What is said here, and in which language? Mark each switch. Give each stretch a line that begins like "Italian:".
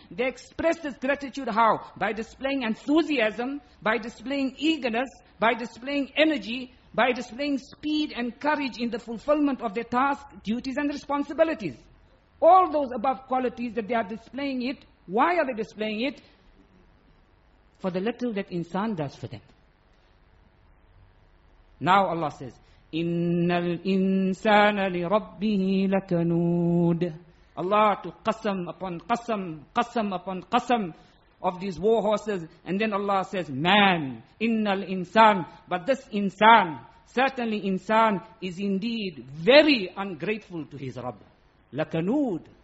English: They express this gratitude how? By displaying enthusiasm, by displaying eagerness, by displaying energy, by displaying speed and courage in the fulfillment of their task, duties and responsibilities. All those above qualities that they are displaying it, why are they displaying it? For the little that insan does for them. Now Allah says,
Arabic: إِنَّ الْإِنسَانَ لِرَبِّهِ لَكَنُودٌ.
English: Allah took qasam upon qasam, qasam upon qasam of these war horses. And then Allah says, man,
Arabic: إِنَّ الْإِنسَانَ.
English: But this insan, certainly insan, is indeed very ungrateful to his Rabb.
Arabic: لَكَنُودٌ.